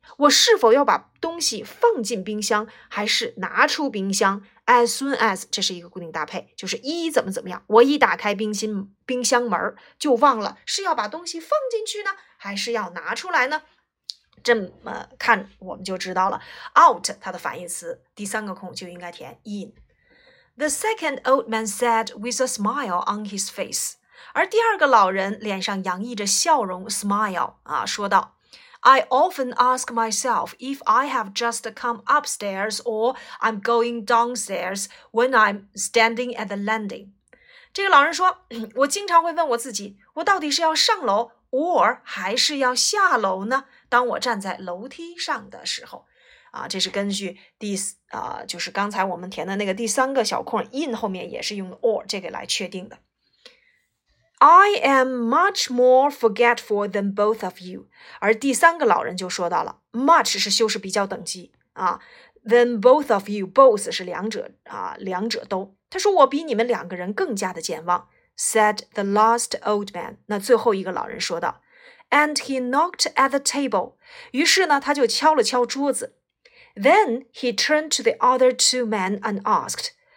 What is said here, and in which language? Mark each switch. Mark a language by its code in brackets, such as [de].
[zh] 我是否要把东西放进冰箱还是拿出冰箱 [en] as soon as， [zh] 这是一个固定搭配，就是一怎么怎么样，我一打开冰箱门就忘了是要把东西放进去呢还是要拿出来呢，这么看我们就知道了 out 它的反义词第三个空就应该填 in。 [en] The second old man said with a smile on his face， [zh] 而第二个老人脸上洋溢着笑容 [en] smile 啊，说道，I often ask myself if I have just come upstairs or I'm going downstairs when I'm standing at the landing. [zh] 这个老人说，我经常会问我自己，我到底是要上楼 or 还是要下楼呢？当我站在楼梯上的时候。啊，这是根据第就是刚才我们填的那个第三个小空 in 后面也是用 or 这个来确定的。 [en] I am much more forgetful than both of you. [zh] 而第三个老人就说到了 ,much 是修饰比较等级啊 , [en] than both of you, [zh] both 是两者啊两者都。他说我比你们两个人更加的健忘 , [en] said the last old man. [zh] 那最后一个老人说道 , [en] and he knocked at the table. [zh] 于是呢他就敲了敲桌子。 [en] Then he turned to the other two men and asked.